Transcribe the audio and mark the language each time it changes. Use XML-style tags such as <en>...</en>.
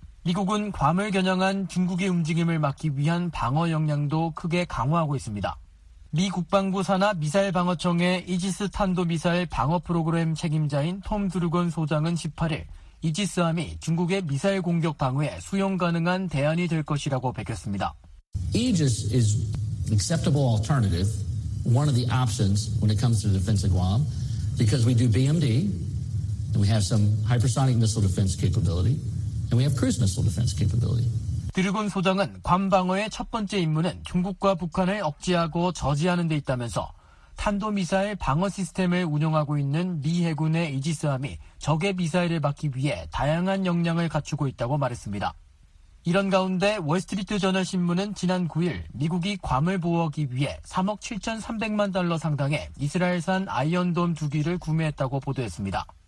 <ko>미국은 괌을 겨냥한 중국의 움직임을 막기 위한 방어 역량도 크게 강화하고 있습니다. 미 국방부 산하 미사일 방어청의 이지스 탄도미사일 방어 프로그램 책임자인 톰 드루건 소장은 18일 이지스함이 중국의 미사일 공격 방어에 수용 가능한 대안이 될 것이라고 밝혔습니다.</ko> <en>Aegis is an acceptable alternative, one of the options when it comes to the defense of Guam, because we do BMD, and we have some hypersonic missile defense capability, and we have cruise missile defense capability.</en> <ko>드르곤 소장은 괌 방어의 첫 번째 임무는 중국과 북한을 억제하고 저지하는 데 있다면서 탄도미사일 방어 시스템을 운영하고 있는 미 해군의 이지스함이 적의 미사일을 막기 위해 다양한 역량을 갖추고 있다고 말했습니다. 이런 가운데 월스트리트저널 신문은 지난 9일 미국이 괌을 보호하기 위해 3억 7,300만 달러 상당의 이스라엘산 아이언돔 2기를 구매했다고 보도했습니다.</ko>